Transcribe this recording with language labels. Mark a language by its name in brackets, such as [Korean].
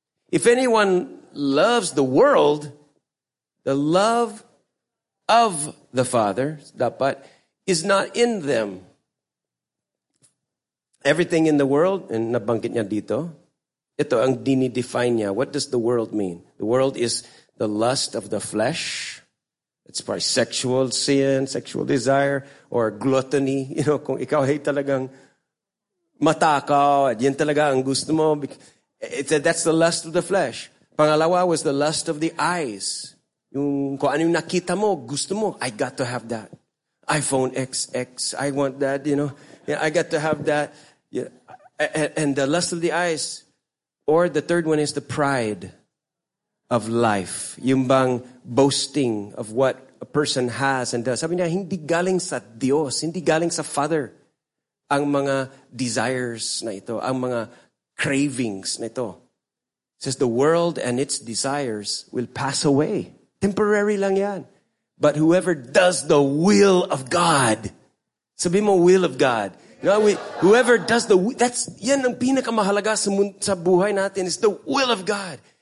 [English] If anyone loves the world, the love of the Father, dapat, is not in them. Everything in the world, and [Filipino] nabanggit niya dito, ito ang dinidefine niya. [English] What does the world mean? The world is the lust of the flesh. It's by sexual sin, sexual desire, or gluttony. You know, [Filipino] kung ikaw ay talagang matakaw, at yan talaga ang gusto mo. [English] It's a, that's the lust of the flesh. Pangalawa was the lust of the eyes. [Filipino] Yung kung ano yung nakita mo, gusto mo. [English] I got to have that. iPhone XX, I want that, you know. Yeah, I got to have that. Yeah. And the lust of the eyes. Or the third one is the pride of life. [Filipino] Yung bang [English] boasting of what a person has and does. [Filipino] Sabi niya, hindi galing sa Dios, hindi galing sa Father ang mga desires na ito, ang mga cravings na ito. [English] It says, the world and its desires will pass away. Temporary [Filipino] lang yan. [English] But whoever does the will of God, [Filipino] sabi mo, [English] will of God. You know, whoever does the will, that's, [Filipino] yan ang pinakamahalaga sa buhay natin, [English] is the will of God.